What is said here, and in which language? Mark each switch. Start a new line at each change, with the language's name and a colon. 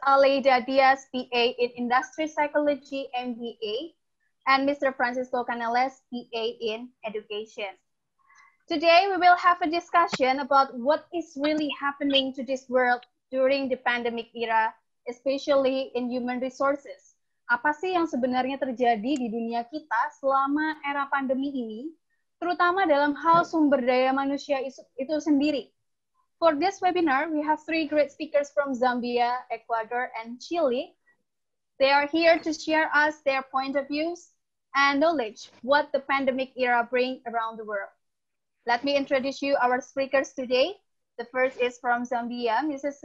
English: Aleida Diaz, PA in Industry Psychology, MBA, and Mr. Fransisco Canales, PA in Education. Today, we will have a discussion about what is really happening to this world during the pandemic era, especially in human resources.
Indonesian: Apa sih yang sebenarnya terjadi di dunia kita selama era pandemi ini, terutama dalam hal sumber daya manusia itu sendiri?
English: For this webinar, we have three great speakers from Zambia, Ecuador, and Chile. They are here to share us their point of views and knowledge what the pandemic era bring around the world. Let me introduce you our speakers today. The first is from Zambia, Mrs.